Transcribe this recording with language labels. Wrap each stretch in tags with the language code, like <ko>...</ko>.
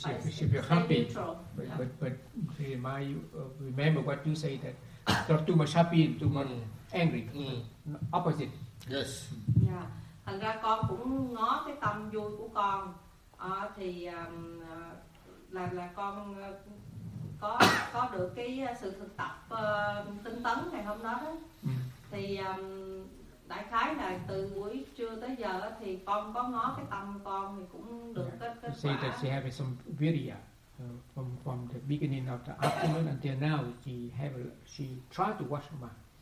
<en>She feel happy, but she might remember what you say, that not too much happy, too much angry. Opposite. Yes. Yeah.</en> <vi>Thành ra con cũng ngó cái tâm vui của con thì là con có được cái sự thực tập tinh tấn ngày hôm đó. Thì đại khái là từ buổi trưa tới giờ thì con có ngó cái tâm con thì cũng được kết quả.</vi> <en>She said she have some video from the beginning of the afternoon until now. She tried to wash her mind.</en>